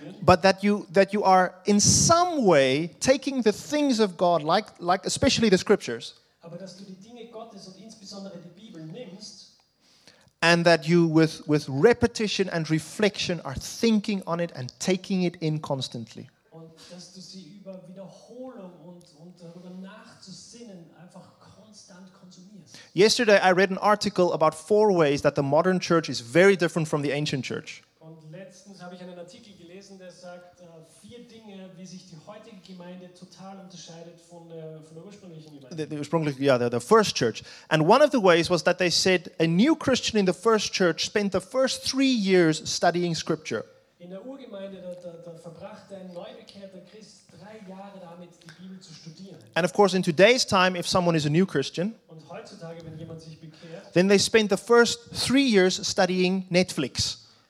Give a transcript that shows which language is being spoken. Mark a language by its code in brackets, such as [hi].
[en] But that you are in some way taking the things of God, like especially the scriptures. [de] Aber dass du die Dinge Gottes und insbesondere die Bibel nimmst, [en] and that you with repetition and reflection are thinking on it and taking it in constantly. [de] Und dass du sie über Wiederholung und darüber nachzusinnen einfach konstant konsumierst. [en] Yesterday I read an article about four ways that the modern church is very different from the ancient church. [de] Und letztens habe ich einen Artikel gelesen, der sagt vier Dinge, wie sich die heutige Gemeinde total unterscheidet von der ursprünglichen Gemeinde. [en] The first church. And one of the ways was that they said a new Christian in the first church spent the first 3 years studying scripture. [de] In der Urgemeinde da verbrachte ein neu bekehrter Christ 3 Jahre damit, die Bibel zu studieren. [en] And of course, in today's time, if someone is a new Christian, [de] und heutzutage, wenn jemand sich bekehrt, [en] then they spent the first 3 years studying Netflix.